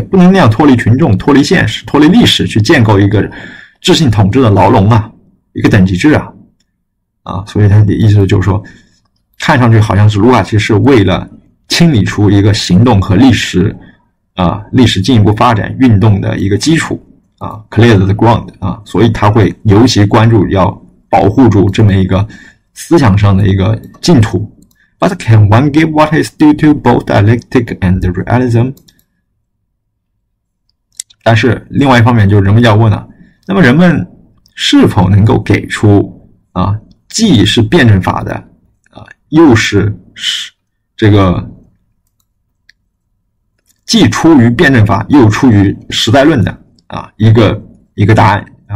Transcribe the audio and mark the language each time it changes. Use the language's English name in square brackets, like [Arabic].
[Chinese] 不能那样脱离群众、脱离现实、脱离历史去建构一个智性统治的牢笼一个等级制所以他的意思就是说，看上去好像是卢卡奇是为了清理出一个行动和历史进一步发展运动的一个基础 [English] clear the ground [Chinese] 所以他会尤其关注要保护住这么一个思想上的一个净土。 [English] But can one give what is due to both dialectic and realism？ [Chinese] 但是另外一方面就是人们要问那么人们是否能够给出既是辩证法的又是这个既出于辩证法又出于时代论的一个答案